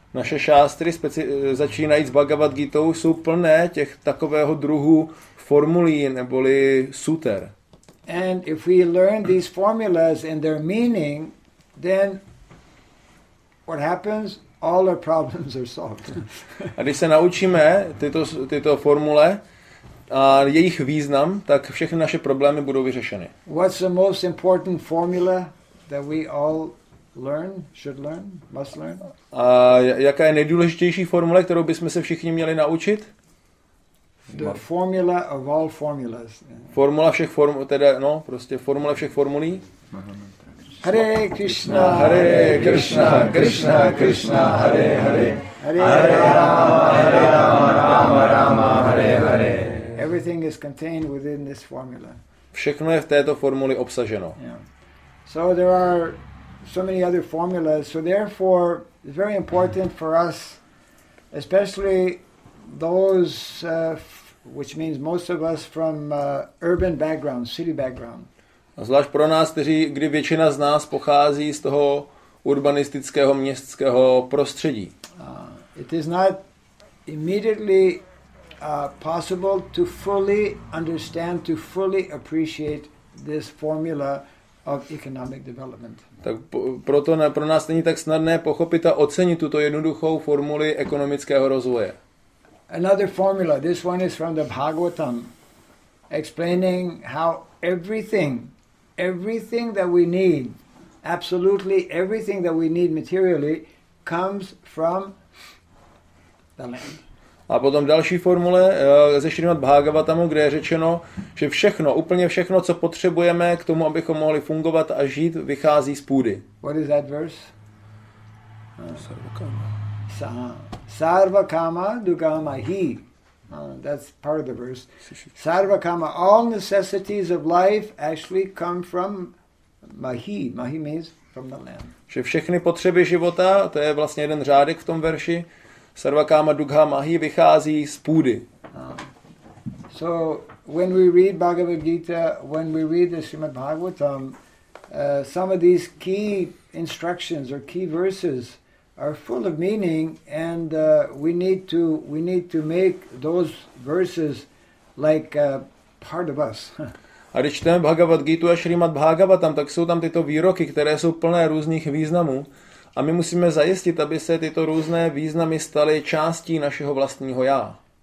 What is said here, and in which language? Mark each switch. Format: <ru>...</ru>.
<cs>Naše šástry, začínajíc Bhagavad Gitou, jsou plné těch takového druhu formulí neboli suter.</cs> <en>And if we learn these formulas and their meaning, then what happens? All our problems are solved.</en> <cs>A když se naučíme tyto formule a jejich význam, tak všechny naše problémy budou vyřešeny.</cs> <en>What's the most important formula that we all learn, should learn, must learn?</en> <cs>A jaká je nejdůležitější formule, kterou bychom se všichni měli naučit?</cs> <en>The formula of all formulas.</en> <cs>Formula všech formul, teda no, prostě formula všech formulí.</cs> <sa>Hare Krishna, Hare Krishna, Krishna Krishna, Hare Hare. Hare Rama, Rama Rama, Hare Hare.</sa> <en>Everything is contained within this formula.</en> <cs>Všechno je v této formuli obsaženo.</cs> <en>Yeah. So there are so many other formulas, so therefore it's very important for us, especially those which means most of us from urban background, city background.</en> <cs>A zvlášť pro nás, kdy většina z nás pochází z toho urbanistického městského prostředí.</cs> <en>It is not immediately possible to fully understand, to fully appreciate this formula of economic development.</en> <cs>Tak proto pro nás není tak snadné pochopit a ocenit tuto jednoduchou formuli ekonomického rozvoje.</cs> <en>Another formula, this one is from the Bhagavatam, explaining how everything that we need, absolutely everything that we need materially, comes from the land.</en> <cs>A potom další formule ze Šrimad Bhagavatamu, kde je řečeno, že všechno, úplně všechno, co potřebujeme k tomu, abychom mohli fungovat a žít, vychází z půdy.</cs> <en>What is that verse?</en> <sa>Sarvakama. Sarvakama dugama hi.</sa> <en>That's part of the verse. Sarvakama, all necessities of life actually come from mahi. Mahi means from the land.</en> <cs>Že všechny potřeby života, to je vlastně jeden řádek v tom verši,</cs> <sa>Sarvakama dugha mahi</sa> <cs>vychází z půdy.</cs> <en>So when we read Bhagavad Gita, when we read the Srimad Bhagavatam, some of these key instructions or key verses are full of meaning, and we need to make those verses like part of us.</en> <cs>A když čteme Bhagavad Gita a Srimad Bhagavatam, tak jsou tam tyto výroky, které jsou plné různých významů, a my musíme zajistit, aby se tyto různé významy staly částí našeho vlastního já.</cs>